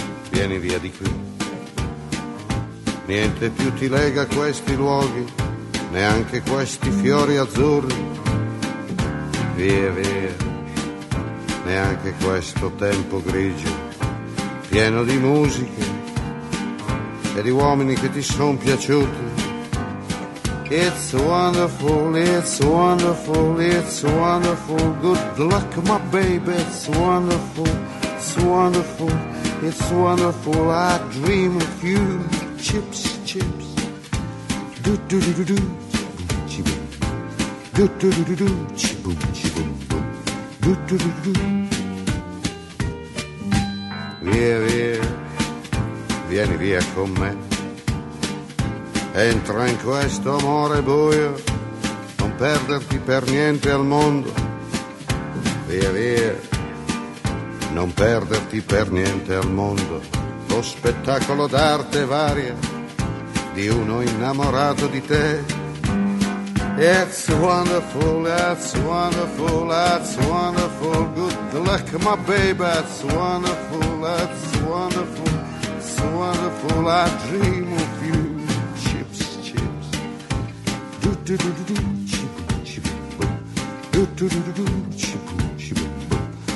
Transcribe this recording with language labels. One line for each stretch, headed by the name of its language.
Italian: Vieni via di qui, niente più ti lega questi luoghi, neanche questi fiori azzurri, via via, neanche questo tempo grigio, pieno di musiche e di uomini che ti son piaciuti.
English: It's wonderful, it's wonderful, it's wonderful, good luck my baby, it's wonderful, it's wonderful. It's wonderful, I dream of you. Chips, chips. Do-do-do-do-do. Chibum-chibum. Do-do-do-do-do. Chibum-chibum-bum. Do-do-do-do-do.
Italian: Via, via, vieni via con me. Entra in questo amore buio, non perderti per niente al mondo. Via, via, non perderti per niente al mondo. Lo spettacolo d'arte varia di uno innamorato di te.
English: It's wonderful, that's wonderful, that's wonderful. Good luck, my baby, that's wonderful, that's wonderful. It's wonderful, I dream of you. Chips, chips. Do-do-do-do-do, chip, chip, boom. Do-do-do-do-do, chip, chip, boom.